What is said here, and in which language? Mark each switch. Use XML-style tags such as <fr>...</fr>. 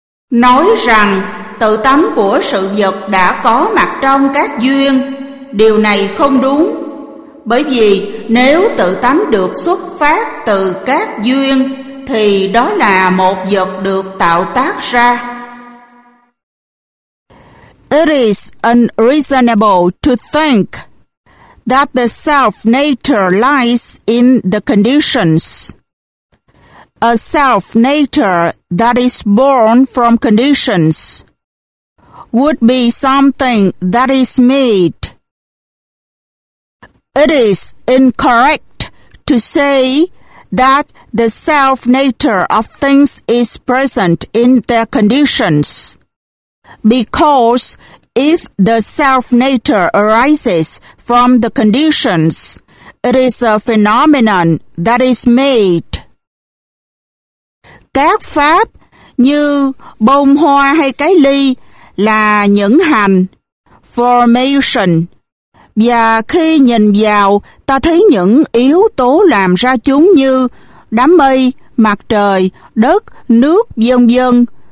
<vi>Nói rằng tự tánh của sự vật đã có mặt trong các duyên, điều này không đúng. Bởi vì nếu tự tánh được xuất phát từ các duyên thì đó là một vật được tạo tác ra.</vi> <en>It is unreasonable to think that the self nature lies in the conditions. A self nature that is born from conditions would be something that is made. It is incorrect to say that the self nature of things is present in their conditions. Because if the self-nature arises from the conditions, it is a phenomenon that is made.</en> <vi>Các pháp như bông hoa hay cái ly là những hành, formation. Và khi nhìn vào, ta thấy những yếu tố làm ra chúng như đám mây, mặt trời, đất, nước, vân vân.</vi>